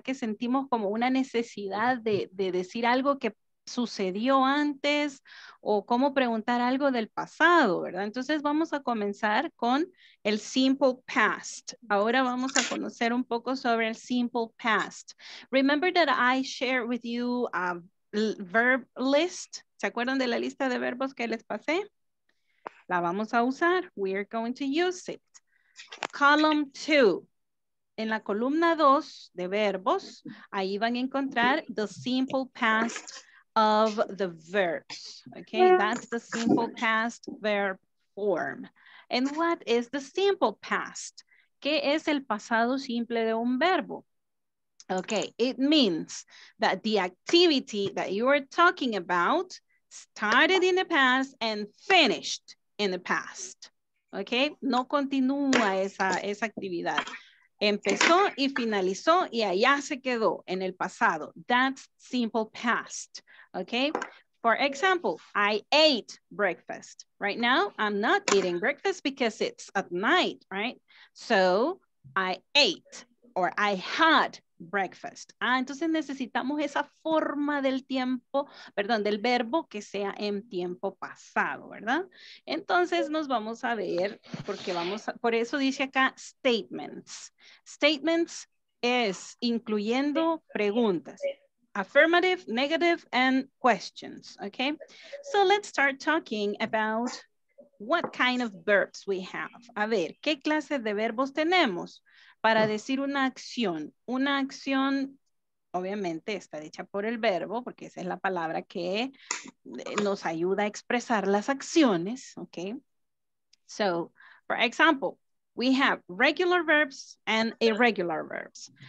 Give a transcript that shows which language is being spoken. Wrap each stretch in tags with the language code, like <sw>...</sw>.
<es>Que sentimos como una necesidad de decir algo que sucedió antes o cómo preguntar algo del pasado, ¿verdad? Entonces vamos a comenzar con el simple past. Ahora vamos a conocer un poco sobre el simple past.</es> <en>Remember that I shared with you a verb list.</en> <es>¿Se acuerdan de la lista de verbos que les pasé? La vamos a usar.</es> <en>We are going to use it. Column 2.</en> <es>En la columna 2 de verbos, ahí van a encontrar the simple past</es> <en>of the verbs. Okay, that's the simple past verb form. And what is the simple past?</en> <es>¿Qué es el pasado simple de un verbo?</es> <en>Okay, it means that the activity that you are talking about started in the past and finished in the past.</en> <es>Okay, no continúa esa actividad. Empezó y finalizó y allá se quedó en el pasado.</es> <en>That's simple past. Okay, for example, I ate breakfast. Right now, I'm not eating breakfast because it's at night, right? So, I ate or I had breakfast.</en> <es>Ah, entonces necesitamos esa forma del tiempo, perdón, del verbo que sea en tiempo pasado, ¿verdad? Entonces nos vamos a ver, porque vamos a, por eso dice acá statements. Statements es incluyendo preguntas.</es> <en>Affirmative, negative, and questions, okay? So let's start talking about what kind of verbs we have.</en> <es>A ver, ¿qué clase de verbos tenemos? Para decir una acción obviamente está hecha por el verbo, porque esa es la palabra que nos ayuda a expresar las acciones, okay?</es> <en>So, for example, we have regular verbs and irregular verbs.</en>